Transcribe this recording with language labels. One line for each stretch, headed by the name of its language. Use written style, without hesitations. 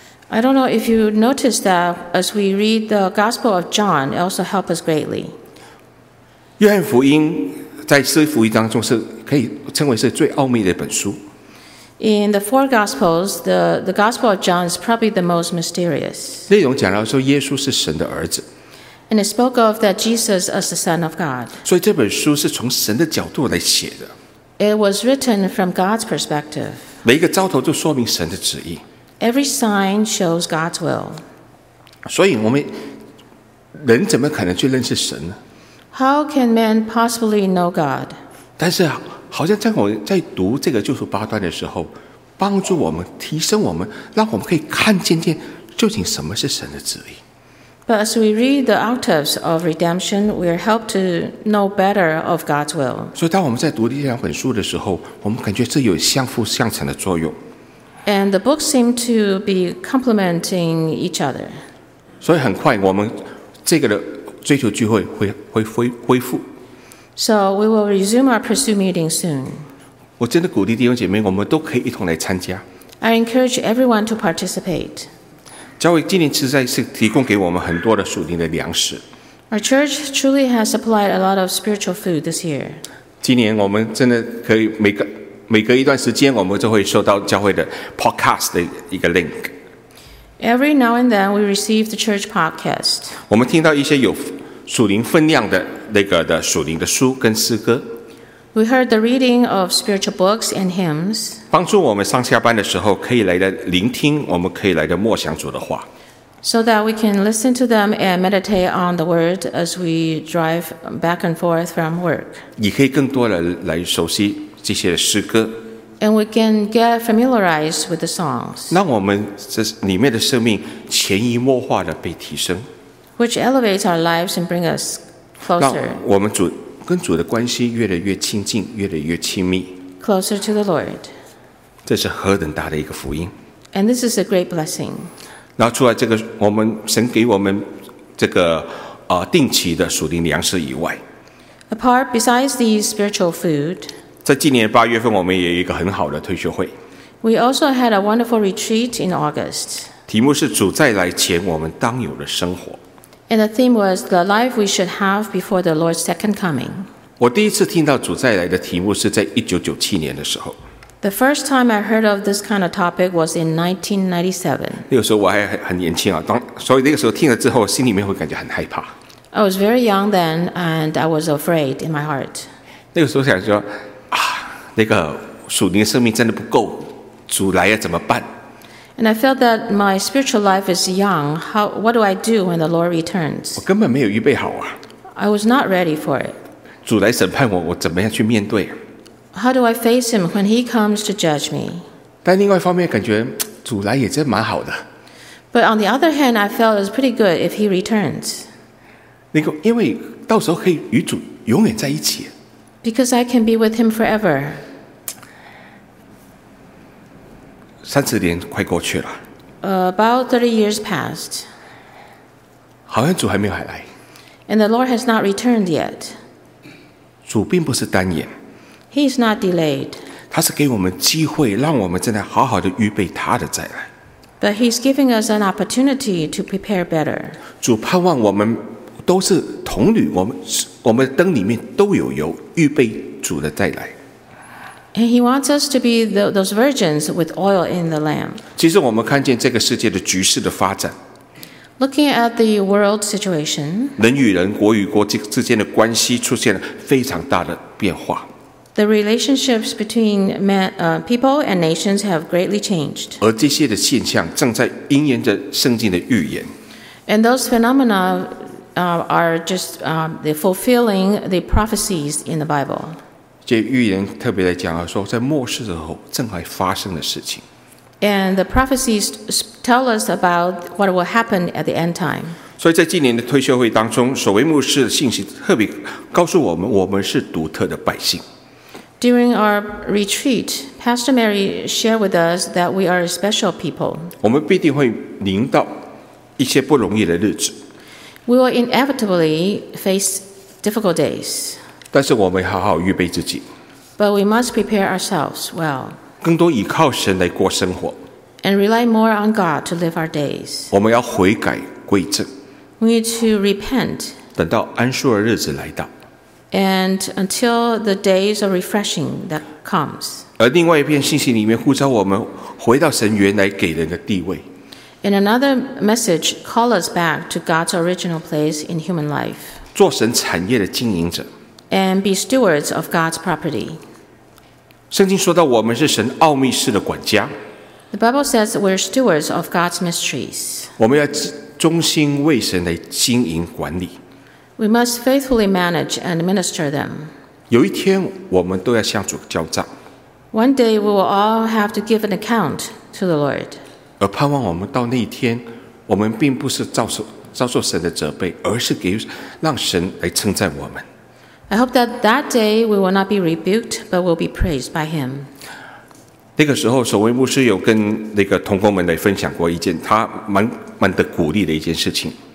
English: I don't know if you noticed that as we read the Gospel of John, it also helped us greatly.
Chinese: 约翰福音在四福音当中是可以称为是最奥秘的一本书。
English: In the four Gospels, the Gospel of John is probably the most mysterious.
Chinese: 内容讲到说耶稣是神的儿子。
English: And it spoke of that Jesus as the Son of God.
Chinese: 所以这本书是从神的角度来写的。
English: It was written from God's perspective.
Chinese: 每一个兆头就说明神的旨意。
English: Every sign shows God's will.
Chinese: 所以我们人怎么可能去认识神呢？
English: How can man possibly know God?
Chinese: 但是好像在我在读这个救赎八段的时候，帮助我们，提升我们，让我们可以看见见究竟什么是神的旨意。
English: But as we read the octaves of redemption, we are helped to know better of God's will.
Chinese: 所以当我们在读这两本书的时候，我们感觉这有相辅相成的作用。
English: And the books seem to be complementing each other.
Chinese: 所以很快我们这个的追求聚会会恢复。
English: So we will resume our pursue meeting soon.
Chinese: 我真的鼓励弟兄姐妹，我们都可以一同来参加。
English: I encourage everyone to participate.
Chinese: 教会今年实在是提供给我们很多的属灵的粮食。
English: Our church truly has supplied a lot of spiritual food this year.
Chinese: 今年我们真的可以每隔一段时间，我们就会收到教会的 podcast 的一个 link。
English: Every now and then we receive the church podcast.
Chinese: 我们听到一些有属灵分量的那个的属灵的书跟诗歌。
English: We heard the reading of spiritual books and hymns.
Chinese: 帮助我们上下班的时候可以来的聆听，我们可以来的默想主的话。
English: So that we can listen to them and meditate on the word as we drive back and forth from work.
Chinese: 也可以更多的来熟悉这些诗歌。
English: And we can get familiarized with the songs.
Chinese: 让我们这里面的生命潜移默化的被提升。
English: Which elevates our lives and bring us closer.
Chinese: 让我们主跟主的关系越来越亲近，越来越亲密。
English: Closer to the Lord.
Chinese: 这是何等大的一个福音。
English: And this is a great blessing.
Chinese: 然后除了这个，我们神给我们这个定期的属灵粮食以外。
English: Apart besides these spiritual food.
Chinese: 在今年八月份，我们也有一个很好的退休会。
English: We also had a wonderful retreat in August.
Chinese: 题目是主再来前我们当有的生活。
English: And the theme was the life we should have before the Lord's second coming.
Chinese: 我第一次听到主再来的题目是在1997年的时候。
English: The first time I heard of this kind of topic was in 1997.
Chinese: 那个时候我还很年轻啊，所以那个时候听了之后，心里面会感觉很害怕。
English: I was very young then, and I was afraid in my heart.
Chinese: 那个时候想说，啊，那个属灵生命真的不够，主来了怎么办？
English: And I felt that my spiritual life is young. What do I do when the Lord returns?
Chinese: 我根本没有预备好啊。
English: I was not ready for it.
Chinese: 主来审判我，我怎么样去面对？
English: How do I face him when he comes to judge me?
Chinese: 但另外一方面感觉主来也真蛮好的。
English: But on the other hand, I felt it was pretty good if he returns.
Chinese: 那个，因为到时候可以与主永远在一起。
English: Because I can be with him forever.
Chinese: 三十年快过去了。
English: About 30 years passed.
Chinese: 好像主还没有来。
English: And the Lord has not returned yet.
Chinese: 主并不是单言。
English: He is not delayed.
Chinese: 他是给我们机会，让我们真的好好的预备他的再来。
English: But he's giving us an opportunity to prepare better.
Chinese: 主盼望我们都是童女，我们的灯里面都有油，预备主的再来。
English: And he wants us to be those virgins with oil in the lamp.
Chinese: 其实我们看见这个世界的局势的发展。
English: Looking at the world situation.
Chinese: 人与人、国与国之间的关系出现了非常大的变化。
English: The relationships between people and nations have greatly changed.
Chinese: 而这些的现象正在应验着圣经的预言。
English: And those phenomena are just fulfilling the prophecies in the Bible.
Chinese: 这预言特别来讲啊，说在末世的时候正在发生的事情。
English: And the prophecies tell us about what will happen at the end time.
Chinese: 所以在今年的退休会当中，所谓牧师的信息特别告诉我们，我们是独特的百姓。
English: During our retreat, Pastor Mary shared with us that we are a special people.
Chinese: 我们必定会临到一些不容易的日子。
English: We will inevitably face difficult days.
Chinese: 但是我们好好预备自己。
English: But we must prepare ourselves well.
Chinese: 更多依靠神来过生活。
English: And rely more on God to live our days.
Chinese: 我们要悔改归正。
English: We need to repent.
Chinese: 等到安舒的日子来到。
English: And until the days of refreshing that comes.
Chinese: 而另外一篇信息里面呼召我们回到神原来给人的地位。
English: And another message calls us back to God's original place in human life.
Chinese: 做神产业的经营者。
English: And be stewards of God's property.
Chinese: 圣经说到我们是神奥秘室的管家。
English: The Bible says we're stewards of God's mysteries.
Chinese: 我们要忠心为神来经营管理。
English: We must faithfully manage and administer them.
Chinese: 有一天我们都要向主交账。
English: One day we will all have to give an account to the Lord.
Chinese: 而盼望我们到那一天，我们并不是遭受神的责备，而是给让神来称赞我们。
English: I hope that that day we will not be rebuked, but will be praised by Him.
Chinese: 那个时候，守卫牧师有跟那个同工们来分享过一件他蛮的鼓励的一件事情。